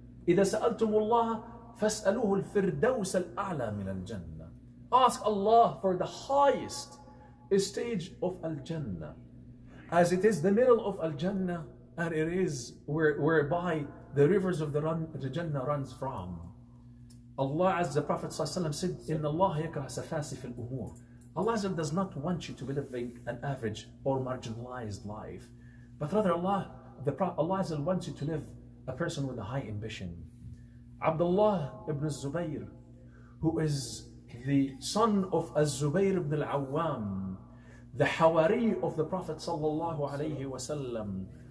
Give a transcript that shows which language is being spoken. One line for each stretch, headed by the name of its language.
Arabic: إِذَا سَأَلْتُمُ اللَّهَ فَاسْأَلُوهُ الْفِرْدَوْسَ الْأَعْلَى مِنَ الْجَنَّةِ.
English: Ask Allah for the highest stage of Al-Jannah, as it is the middle of Al-Jannah, and it is whereby the rivers of the Jannah runs from.
Arabic: Allah,
English: as the Prophet ﷺ said,
Arabic: إِنَّ اللَّهَ يَكْرَهَ سَفَاسِفِ الْأُمُورِ.
English: Allah does not want you to be living an average or marginalized life, but rather Allah wants you to live a person with a high ambition. Abdullah ibn Zubayr, who is the son of Az-Zubayr ibn al-Awwam, the Hawari of the Prophet sallallahu alayhi wasallam,